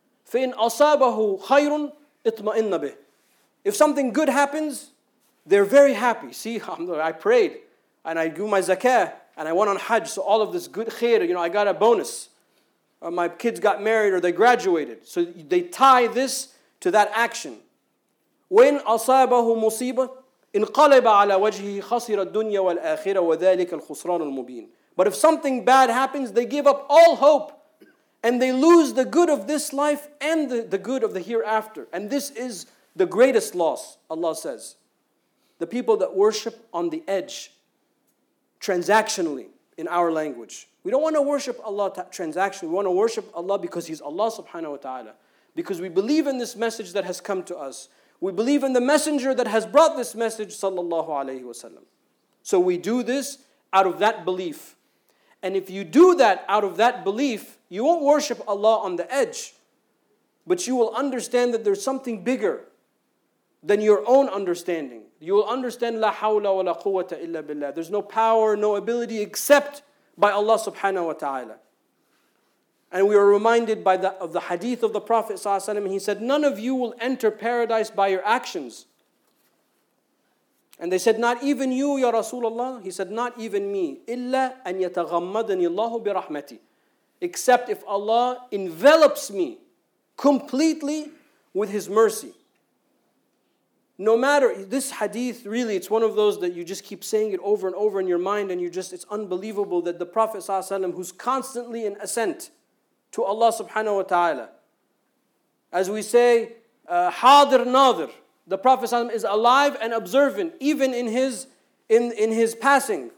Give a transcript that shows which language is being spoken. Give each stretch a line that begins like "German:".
Arabic: فَإِنْ أَصَابَهُ خَيْرٌ اطْمَئِنَّ بِهِ.
English: If something good happens, they're very happy. See, I prayed and I give my zakah. And I went on Hajj, so all of this good khair, you know, I got a bonus. Or my kids got married or they graduated. So they tie this to that action. When
Arabic: أصابه مصيبة انقلب على وجهه خسر الدنيا والآخرة وذلك الخسران المبين.
English: But if something bad happens, they give up all hope and they lose the good of this life and the good of the hereafter. And this is the greatest loss, Allah says. The people that worship on the edge, transactionally, in our language. We don't want to worship Allah transactionally. We want to worship Allah because He's Allah subhanahu wa ta'ala. Because we believe in this message that has come to us. We believe in the messenger that has brought this message, sallallahu alayhi wasallam. So we do this out of that belief. And if you do that out of that belief, you won't worship Allah on the edge. But you will understand that there's something bigger than your own understanding. You will understand,
Arabic: لا حول ولا قوة إلا بالله.
English: There's no power, no ability except by Allah subhanahu wa ta'ala. And we are reminded by the hadith of the Prophet sallallahu alaihi wasallam. He said, none of you will enter paradise by your actions. And they said, not even you, Ya Rasulullah. He said, not even me.
Arabic: إلا أن يتغمدني الله برحمتي.
English: Except if Allah envelops me completely with His mercy. No matter, this hadith, really, it's one of those that you just keep saying it over and over in your mind, and you just, it's unbelievable that the Prophet ﷺ, who's constantly in ascent to Allah subhanahu wa ta'ala, as we say, hadir nadir, the Prophet ﷺ is alive and observant, even in his passing.